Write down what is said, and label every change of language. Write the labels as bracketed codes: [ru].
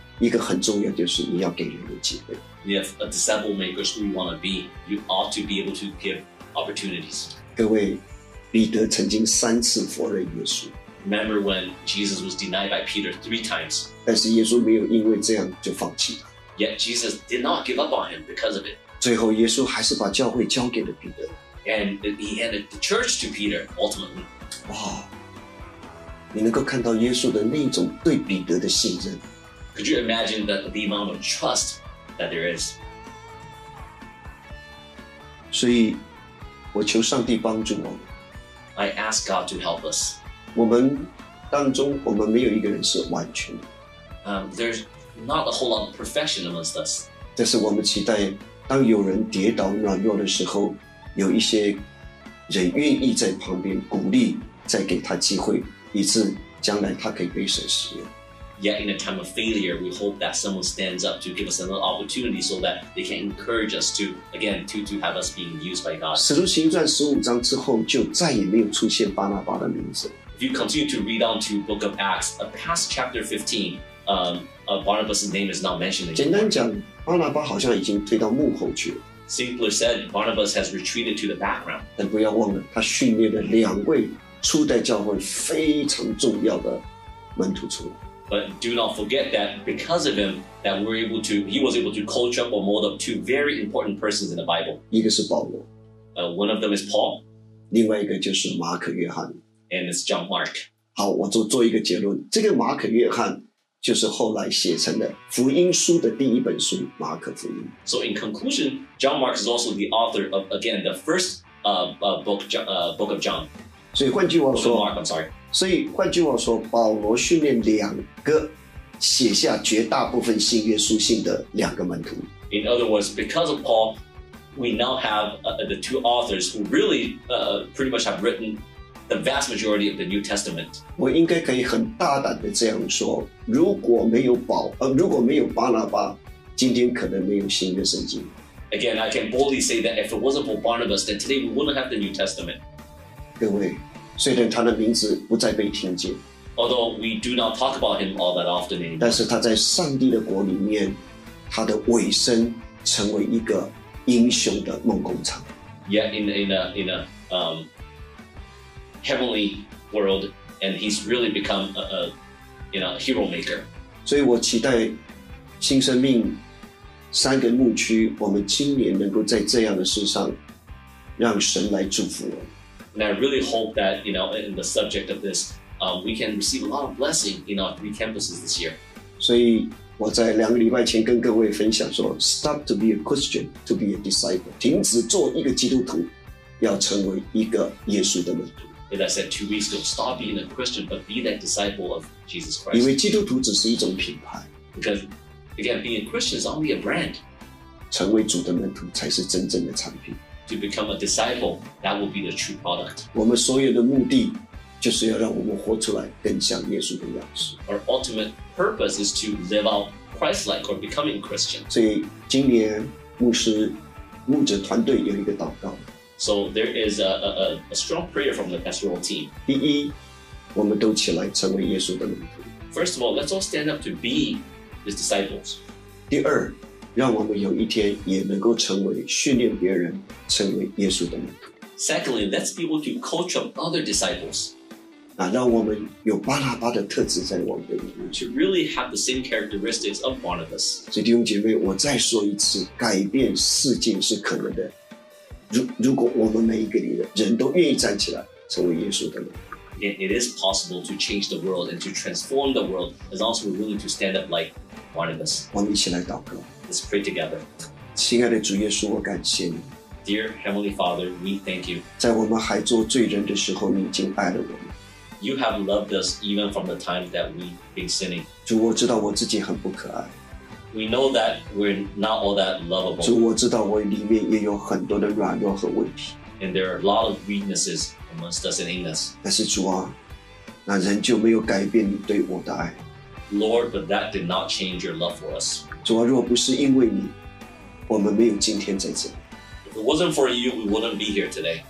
[zh] 一个很重要就是你要给人有机会。 [en] If a disciple maker is who you want to be, you ought to be able to give opportunities. [zh] 各位，彼得曾经三次否认耶稣。 [en] Remember when Jesus was denied by Peter 3 times? [zh] 但是耶稣没有因为这样就放弃他。 [en] Yet Jesus did not give up on him because of it. [zh] 最后耶稣还是把教会交给了彼得。 [en] And he handed the church to Peter ultimately. [zh] 哇，你能够看到耶稣的那种对彼得的信任。 [en] Could you imagine the amount of trust that there is? [zh] 所以我求上帝帮助我们。 [en] I ask God to help us. [zh] 我们当中我们没有一个人是完全的。 [en] There'sNot a whole lot of perfection amongst us. [zh] 但是我们期待，当有人跌倒软弱的时候，有一些人愿意在旁边鼓励，再给他机会，以致将来他可以被神使用。 [en] Yet in a time of failure, we hope that someone stands up to give us another opportunity so that they can encourage us to, again, to have us being used by God. [zh] 使徒行传十五章之后，就再也没有出现巴拿巴的名字。 [en] If you continue to read on to Book of Acts, past chapter 15,Barnabas' name is not mentioned. [zh] 简单讲，巴拿巴好像已经退到幕后去了。 [en] Simply said, Barnabas has retreated to the background. [zh] 但不要忘了，他训练了两位初代教会非常重要的门徒出来。 [en] But do not forget that because of him, that he was able to coach up or mold up two very important persons in the Bible. [zh] 一个是保罗。 [en] One of them is Paul. [zh] 另外一个就是马可约翰。 [en] And it's John Mark. [zh] 好，我做一个结论，这个马可约翰。就是后来写成的福音书的第一本书马可福音。 [en] So in conclusion, John Mark is also the author of, again, the first book of John. [zh] 所以换句话说 [en] Mark, I'm sorry. [zh] 所以换句话说保罗训练两个写下绝大部分新约书信的两个门徒。 [en] In other words, because of Paul, we now have the two authors who really pretty much have written the vast majority of the New Testament. [zh] 我应该可以很大胆的这样说，如果没有保，如果没有巴拿巴，今天可能没有新约圣经。 [en] Again, I can boldly say that if it wasn't for Barnabas, then today we wouldn't have the New Testament. [zh] 各位，虽然他的名字不再被听见。 [en] Although we do not talk about him all that often anymore. [zh] 但是他在上帝的国里面他的尾声成为一个英雄的梦工厂。 [en] Yet in a heavenly world, and he's really become a hero maker. [zh] 所以我期待新生命三个牧区，我们今年能够在这样的事上让神来祝福我。 [en] And I really hope that, you know, in the subject of this, we can receive a lot of blessing in our three campuses this year. [zh] 所以我在两个礼拜前跟各位分享说 [en] Stop to be a Christian, to be a disciple. [zh] 停止做一个基督徒，要成为一个耶稣的门徒。 [en] And I said 2 weeks ago, stop being a Christian, but be that disciple of Jesus Christ. [zh] 因为基督徒只是一种品牌。 [en] Because, again, being a Christian is only a brand. [zh] 成为主的门徒才是真正的产品。 [en] To become a disciple, that will be the true product. [zh] 我们所有的目的就是要让我们活出来更像耶稣的样式。 [en] Our ultimate purpose is to live out Christ-like or becoming Christian. [zh] 所以今年牧师、牧者团队有一个祷告。 [en] So there is a strong prayer from the pastoral team. [zh] 第一，我们都起来成为耶稣的门徒。 [en] First of all, let's all stand up to be his disciples. [zh] 第二，让我们有一天也能够成为训练别人成为耶稣的门徒。 [en] Secondly, let's be able to coach up other disciples. [zh] 那让我们有巴拿巴的特质在我们的里面。 [en] To really have the same characteristics of Barnabas. [zh] 所以弟兄姐妹，我再说一次，改变世界是可能的。如果我们每一个人都愿意站起来成为耶稣的门徒。 [en] It is possible to change the world and to transform the world as long as we're willing to stand up like Barnabas. [zh] 我们一起来祷告。 [en] Let's pray together. [zh] 亲爱的主耶稣，我感谢你。 [en] Dear Heavenly Father, we thank you. [zh] 在我们还做罪人的时候，你已经爱了我们。 [en] You have loved us even from the time that we've been sinning. [zh] 主，我知道我自己很不可爱。 [en] We know that we're not all that lovable. [zh] 主，我知道我里面也有很多的软弱和问题。 [en] And there are a lot of weaknesses amongst us and in us. [zh] 但是主啊，那仍旧没有改变你对我的爱。 [en] Lord, but that did not change your love for us. [zh] 主啊，若不是因为你，我们没有今天在这里。 [en] If it wasn't for you, we wouldn't be here today.